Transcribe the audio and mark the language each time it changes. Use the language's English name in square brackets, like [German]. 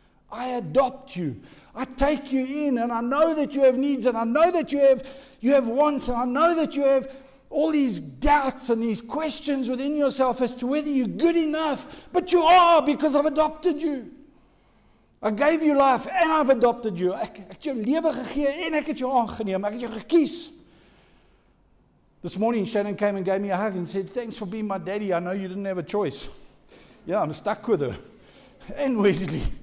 [English] I adopt you. I take you in, and I know that you have needs, and I know that you have wants, and I know that you have all these doubts and these questions within yourself as to whether you're good enough. But you are, because I've adopted you. I gave you life and I've adopted you. [Afrikaans] Ek het jou lewe gegee en ek het jou aangeneem. Ek het jou gekies. [English] This morning, Shannon came and gave me a hug and said, thanks for being my daddy. I know you didn't have a choice. Yeah, I'm stuck with her. And Wesley.